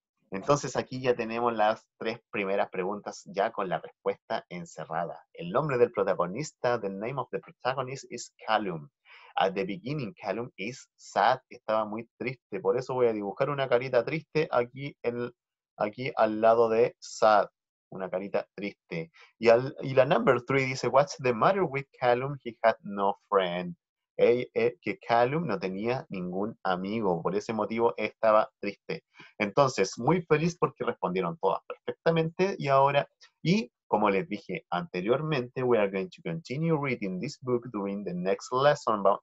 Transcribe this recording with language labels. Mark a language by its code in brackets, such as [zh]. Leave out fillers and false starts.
[es] Entonces aquí ya tenemos las tres primeras preguntas ya con la respuesta encerrada. El nombre del protagonista, [en] the name of the protagonist is Callum. At the beginning, Callum is sad, [es] estaba muy triste. Por eso voy a dibujar una carita triste aquí, aquí al lado de sad, una carita triste. Y la [en] number three [es] dice, [en] what's the matter with Callum? He had no friend. [es] Que Callum no tenía ningún amigo, por ese motivo estaba triste. Entonces, muy feliz porque respondieron todas perfectamente. Y ahora, y como les dije anteriormente, [en] we are going to continue reading this book during the next lesson.